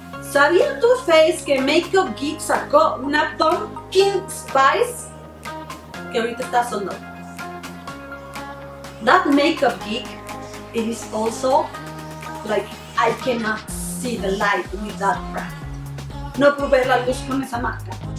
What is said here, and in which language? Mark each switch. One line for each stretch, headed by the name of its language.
Spanish: ¿Sabía Too Faced que Makeup Geek sacó una pumpkin spice? Que ahorita está sonando.
English: That Makeup Geek, it is also like, I cannot see the light with that brand.
Spanish: No puedo ver la luz con esa marca.